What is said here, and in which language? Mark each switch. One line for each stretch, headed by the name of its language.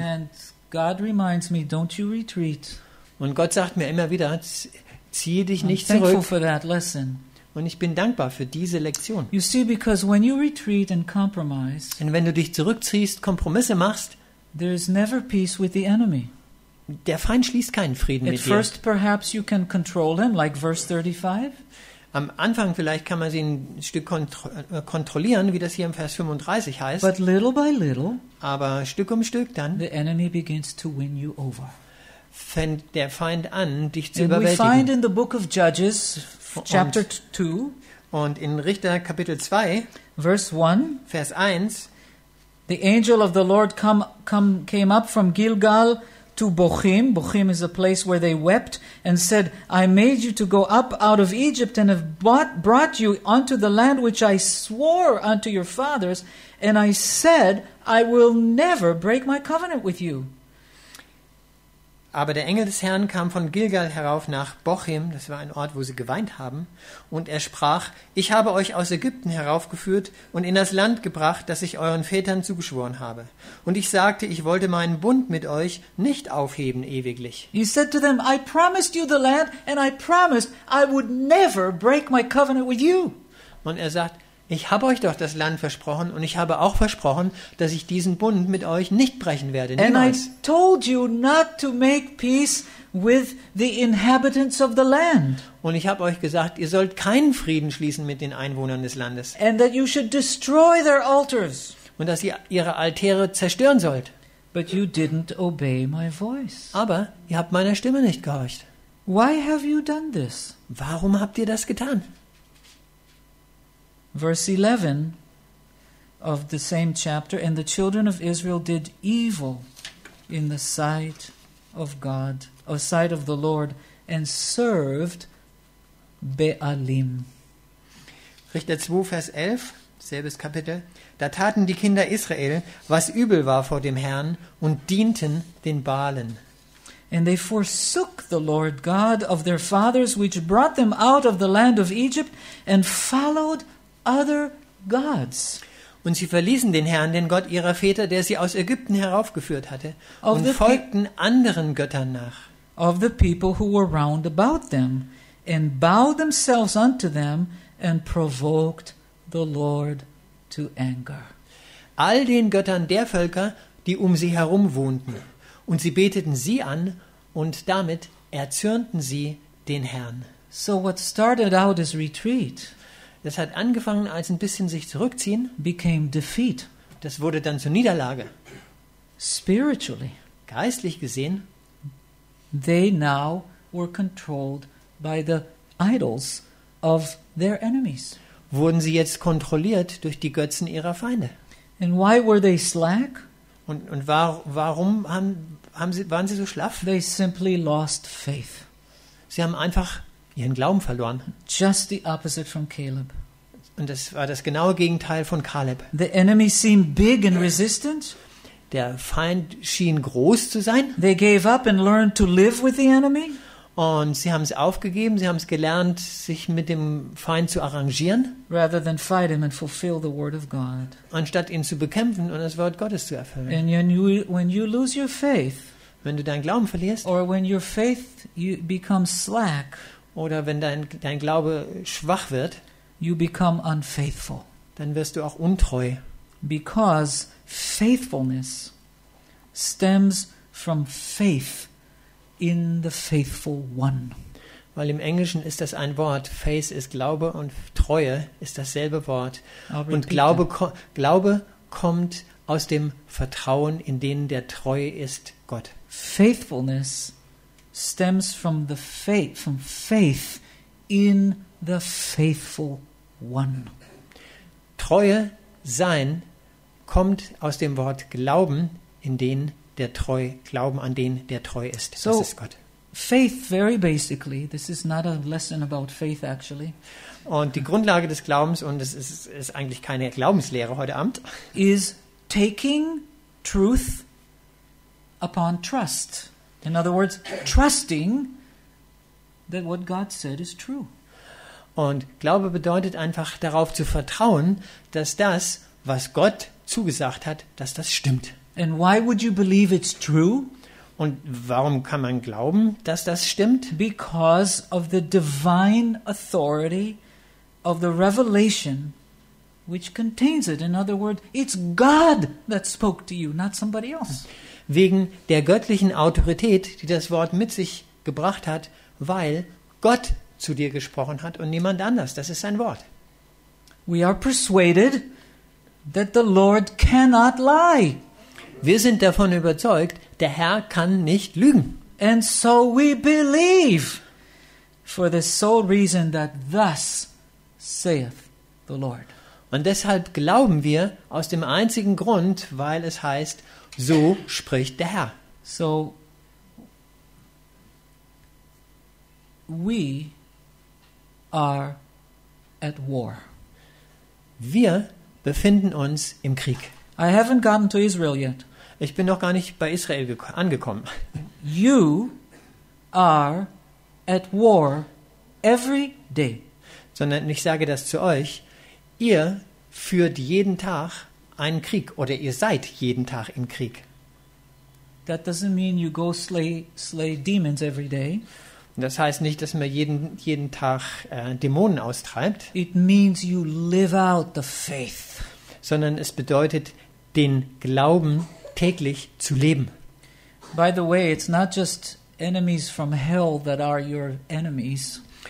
English: And God reminds me, don't you retreat.
German: Und Gott sagt mir immer wieder, zieh dich
English: I'm
German: nicht zurück.
English: For that lesson.
German: Und ich bin dankbar für diese Lektion.
English: You see, because when you retreat and compromise,
German: und wenn du dich zurückziehst, Kompromisse machst,
English: there is never peace with the enemy.
German: Der Feind schließt keinen Frieden
English: at
German: mit dir.
English: At first perhaps you can control him, like verse 35.
German: Am Anfang vielleicht kann man sie ein Stück kontrollieren, wie das hier im Vers 35 heißt.
English: But little by little,
German: aber Stück um Stück dann,
English: the enemy begins to win you over.
German: Fängt der Feind an, dich zu
English: and
German: überwältigen.
English: We find in the book of Judges, Chapter 2
German: und in Richter Kapitel 2
English: verse 1
German: Vers 1
English: the angel of the Lord came up from Gilgal to Bochim. Bochim is a place where they wept and said, I made you to go up out of Egypt and have brought you unto the land which I swore unto your fathers, and I said, I will never break my covenant with you.
German: Aber der Engel des Herrn kam von Gilgal herauf nach Bochim, das war ein Ort, wo sie geweint haben, und er sprach, ich habe euch aus Ägypten heraufgeführt und in das Land gebracht, das ich euren Vätern zugeschworen habe. Und ich sagte, ich wollte meinen Bund mit euch nicht aufheben ewiglich.
English: He said to them, I promised you the land and I promised I would never break my covenant with you.
German: Und er sagt, ich habe euch doch das Land versprochen und ich habe auch versprochen, dass ich diesen Bund mit euch nicht brechen werde. Niemals.
English: And I told you not to make peace with the inhabitants of the land.
German: Und ich habe euch gesagt, ihr sollt keinen Frieden schließen mit den Einwohnern des Landes.
English: And that you should destroy their altars.
German: Und dass ihr ihre Altäre zerstören sollt.
English: But you didn't obey my voice.
German: Aber ihr habt meiner Stimme nicht gehorcht.
English: Why have you done this?
German: Warum habt ihr das getan?
English: Verse 11 of the same chapter, and the children of Israel did evil in the sight of God, or sight of the Lord, and served Baalim.
German: Richter 2, Vers 11 Selbes Kapitel. Da taten die Kinder Israel, was übel war vor dem Herrn, und dienten den Baalen.
English: And they forsook the Lord God of their fathers, which brought them out of the land of Egypt, and followed other gods.
German: Und sie verließen den Herrn, den Gott ihrer Väter, der sie aus Ägypten heraufgeführt hatte, und folgten anderen Göttern nach.
English: Of the people who were round about them, and bowed themselves unto them, and provoked the Lord to anger.
German: All den Göttern der Völker, die um sie herum wohnten, und sie beteten sie an, und damit erzürnten sie den Herrn.
English: So what started out as retreat.
German: Das hat angefangen als ein bisschen sich zurückziehen.
English: Became defeat.
German: Das wurde dann zur Niederlage.
English: Spiritually.
German: Geistlich gesehen.
English: They now were controlled by the idols of their enemies.
German: Wurden sie jetzt kontrolliert durch die Götzen ihrer Feinde.
English: And why were they slack?
German: Und warum waren sie so schlaff?
English: They simply lost faith.
German: Sie haben einfach ihren Glauben verloren.
English: Just the opposite from Caleb.
German: Und das war das genaue Gegenteil von Caleb.
English: The enemy seemed big and resistant.
German: Der Feind schien groß zu sein.
English: They gave up and learned to live with the enemy.
German: Und sie haben es aufgegeben, sie haben es gelernt, sich mit dem Feind zu arrangieren.
English: Rather than fight him and fulfill the word of God.
German: Anstatt ihn zu bekämpfen und das Wort Gottes zu erfüllen.
English: And when you lose your faith,
German: wenn du deinen Glauben verlierst,
English: or when your faith you becomes slack,
German: oder wenn dein Glaube schwach wird,
English: you become unfaithful.
German: Dann wirst du auch untreu.
English: Because faithfulness stems from faith in the faithful one.
German: Weil im Englischen ist das ein Wort. Faith ist Glaube und Treue ist dasselbe Wort. Und Glaube kommt aus dem Vertrauen in den, der treu ist, Gott.
English: Faithfulness stems from the faith, from faith in the faithful one.
German: Treue sein kommt aus dem Wort Glauben in den, der treu, Glauben an den, der treu ist.
English: So,
German: das ist Gott.
English: Faith, very basically, this is not a lesson about faith actually.
German: Und die Grundlage des Glaubens, und es ist eigentlich keine Glaubenslehre heute Abend,
English: is taking truth upon trust. In other words, trusting that what God said is true.
German: Und Glaube bedeutet einfach darauf zu vertrauen, dass das, was Gott zugesagt hat, dass das stimmt.
English: And why would you believe it's true?
German: Und warum kann man glauben, dass das stimmt?
English: Because of the divine authority of the revelation which contains it. In other words, it's God that spoke to you, not somebody else.
German: Wegen der göttlichen Autorität, die das Wort mit sich gebracht hat, weil Gott zu dir gesprochen hat und niemand anders. Das ist sein Wort.
English: We are persuaded that the Lord cannot lie.
German: Wir sind davon überzeugt, der Herr kann nicht lügen.
English: And so we believe for the sole reason that thus saith the Lord.
German: Und deshalb glauben wir aus dem einzigen Grund, weil es heißt, so spricht der Herr.
English: So, we are at war.
German: Wir befinden uns im Krieg.
English: I haven't gotten to Israel yet.
German: Ich bin noch gar nicht bei Israel angekommen.
English: You are at war every day.
German: Sondern ich sage das zu euch, ihr führt jeden Tag einen Krieg oder ihr seid jeden Tag im Krieg.
English: That doesn't mean you go slay demons every day.
German: Das heißt nicht, dass man jeden Tag Dämonen austreibt.
English: It means you live out the faith.
German: Sondern es bedeutet, den Glauben täglich zu leben.
English: By the way, it's not just enemies from hell that are your enemies.